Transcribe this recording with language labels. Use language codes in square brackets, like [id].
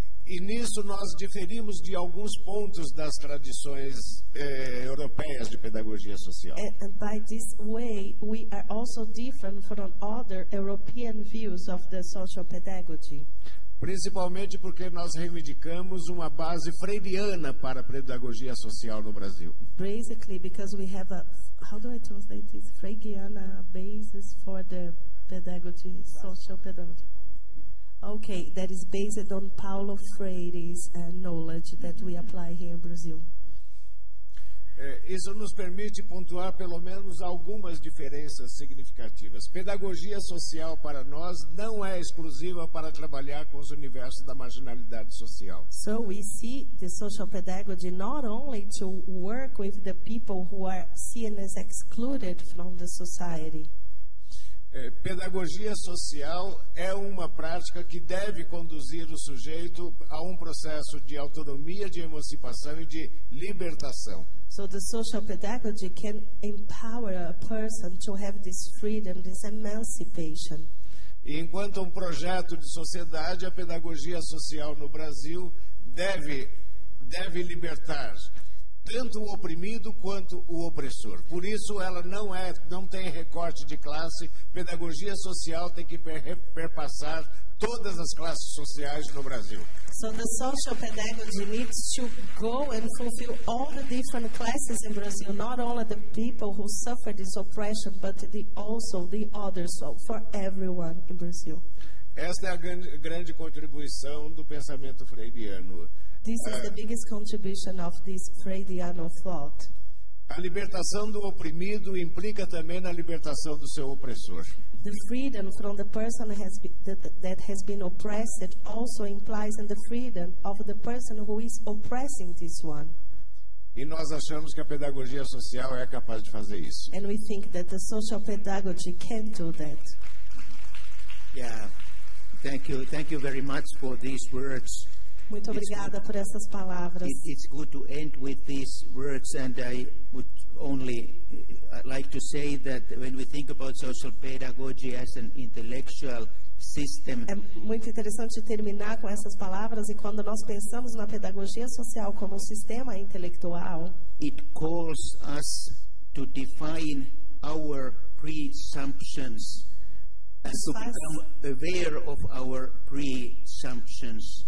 [pt] E nisso nós diferimos de alguns pontos das tradições europeias de pedagogia social. [en] And by this way, we are also different from other European views of the social pedagogy. [pt] Principalmente porque nós reivindicamos uma base freiriana para a pedagogia social no Brasil. [en] Basically, because we have a, how do I translate this? Freiriana basis for the pedagogy, social pedagogy. Okay, that is based on Paulo Freire's knowledge that we apply here in Brazil. [pt] Isso nos permite pontuar pelo menos algumas diferenças significativas. Pedagogia social para nós não é exclusiva para trabalhar com os universos da marginalidade social. [en] So we see the social pedagogy not only to work with the people who are seen as excluded from the society. [pt] Pedagogia social é uma prática que deve conduzir o sujeito a um processo de autonomia, de emancipação e de libertação. [en] So the social pedagogy can empower a person to have this freedom, this emancipation. [pt] E enquanto um projeto de sociedade, a pedagogia social no Brasil deve libertar tanto o oprimido quanto o opressor. Por isso, ela não tem recorte de classe. Pedagogia social tem que perpassar todas as classes sociais no Brasil. [en] So the social pedagogy needs to go and fulfill all the different classes in Brazil, not only the people who suffer this oppression, but also the others, so for everyone in Brazil. [pt] Esta é a grande contribuição do pensamento freiriano. [en] This is the biggest contribution of this Freudian thought. [pt] A libertação do oprimido implica também na libertação do seu opressor. [en] The freedom from the person that has been oppressed also implies in the freedom of the person who is oppressing this one. [pt] E nós achamos que a pedagogia social é capaz de fazer isso. [en] And we think that the social pedagogy can do that. Yeah. Thank you very much for these words. [pt] Muito obrigada por essas palavras. [en] It's good to end with these words, and I would only like to say that when we think about social pedagogy as an intellectual system. [pt] É muito interessante terminar com essas palavras, e quando nós pensamos na pedagogia social como um sistema intelectual, [en] it calls us to define our presumptions. And to become aware of our presumptions.